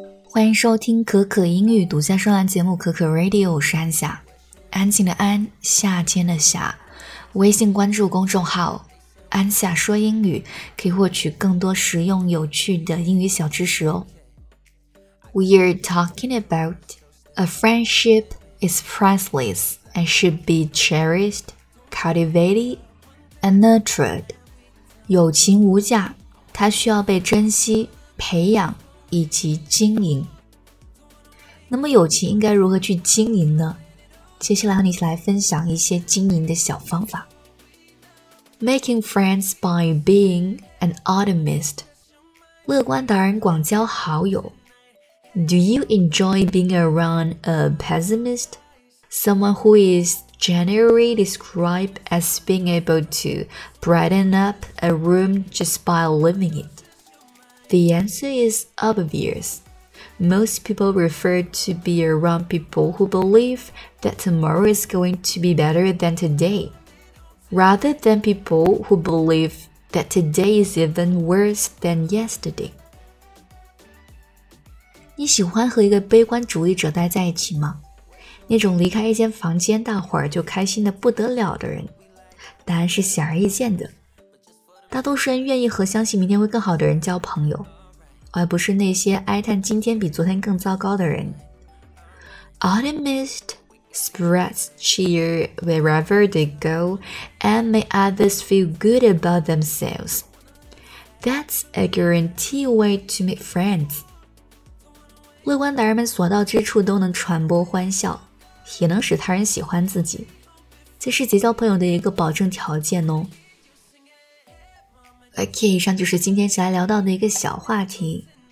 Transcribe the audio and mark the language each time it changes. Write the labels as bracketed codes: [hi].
[zh] 欢迎收听可可英语独家专栏节目可可 Radio， 我是安夏，安静的安，夏天的夏。微信关注公众号安夏说英语，可以获取更多实用有趣的英语小知识哦。 [en] We are talking about a friendship is priceless and should be cherished, cultivated and nurtured. [zh] 友情无价，它需要被珍惜、培养以及经营。那么友情应该如何去经营呢？接下来和你一起来分享一些经营的小方法。 [en] Making friends by being an optimist. [zh] 乐观达人广交好友。 [en] Do you enjoy being around a pessimist? Someone who is generally described as being able to brighten up a room just by living it. The answer is obvious. Most people prefer to be around people who believe that tomorrow is going to be better than today, rather than people who believe that today is even worse than yesterday. [zh] 你喜欢和一个悲观主义者待在一起吗？那种离开一间房间大伙儿就开心得不得了的人，答案是显而易见的。大多数人愿意和相信明天会更好的人交朋友，而不是那些哀叹今天比昨天更糟糕的人。 [en] Optimist spreads cheer wherever they go and make others feel good about themselves. That's a guaranteed way to make friends. [zh] 乐观达人们所到之处都能传播欢笑，也能使他人喜欢自己，这是结交朋友的一个保证条件哦。 OK， 以上就是今天起来聊到的一个小话题。